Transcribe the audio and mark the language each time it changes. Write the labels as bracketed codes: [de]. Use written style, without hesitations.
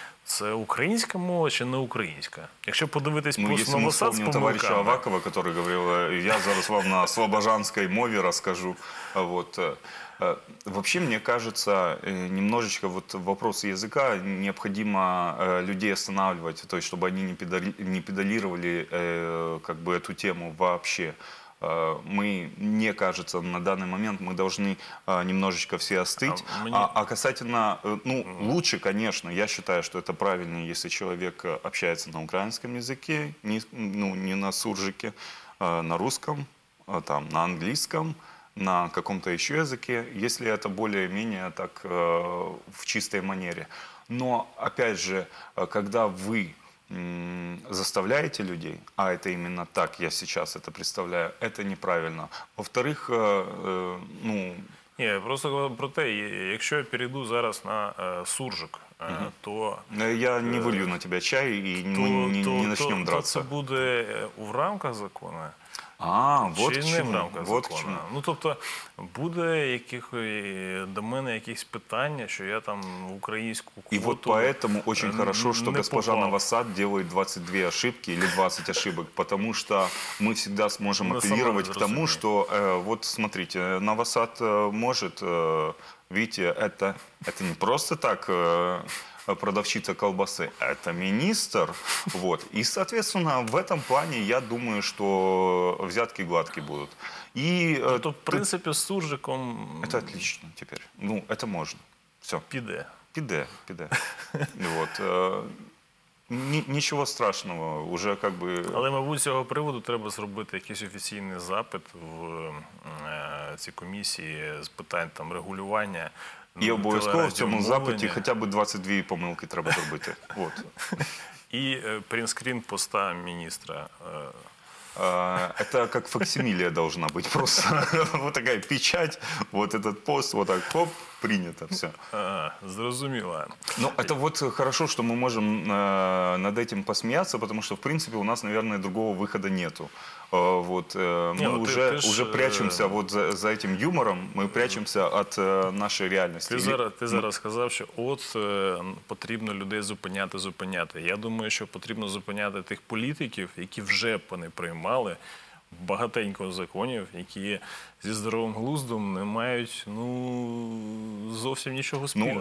[uk] Це українська мова чи не українська? Якщо подивитись просто на Новосад з помилками... Якщо ми вспомнимо товариша Авакова, який говорив, я зараз вам на слобожанській мові розкажу. [ru] Вот. Вообще, мне кажется, немножечко вот вопрос языка, необходимо людей останавливать, то есть, чтобы они не педалировали как бы эту тему вообще. Мы, мне кажется, на данный момент мы должны немножечко все остыть. А касательно, ну, лучше, конечно, я считаю, что это правильно, если человек общается на украинском языке, не на суржике, на русском, там, на английском, на каком-то еще языке, если это более-менее так в чистой манере. Но, опять же, когда вы заставляете людей, а это именно так я сейчас это представляю, это неправильно. Во-вторых, ну... Не, просто про то, если я перейду зараз на суржик, то... Я не вылью на тебя чай, и мы не начнем драться. То это будет в рамках закона? [uk] А, вот чи к чому. Вот к чому. Ну, тобто, буде яких, до мене якісь питання, що я там українську [ru] квоту... І вот поэтому очень хорошо, что госпожа Новосад делает 22 ошибки или 20 ошибок, потому что мы всегда сможем апеллировать к тому, что, вот смотрите, Новосад может, видите, это не просто так... продавщица колбасы, это министр. Вот. И, соответственно, в этом плане, я думаю, что взятки гладкие будут. И, то, в принципе, с суржиком... Это отлично теперь. Ну, это можно. Все. Пиде. Пиде, пиде. Вот. Ничего страшного. Уже как бы... [uk] Але, мабуть, [ru] с этого привода треба сделать какой-то официальный запит в этой комиссии с питань там регулирования. [uk] И обов'язково в цьому запиті хоча б 22 помилки треба зробити. От. І принскрін поста міністра. [ru] Это как факсимилия должна быть просто. Вот такая печать, вот этот пост, вот так, хоп, принято, все. [uk] Зрозуміло. [ru] Ну, это вот хорошо, что мы можем над этим посмеяться, потому что, в принципе, у нас, наверное, другого выхода нету. Вот, мы уже прячемся вот за этим юмором, мы прячемся от нашей реальности. [uk] Ты зараз сказав, що от потрібно людей зупиняти. Я думаю, що потрібно зупиняти тих політиків, які вже вони приймали багатенько законів, які зі здоровим глуздом не мають, ну, зовсім нічого спільного.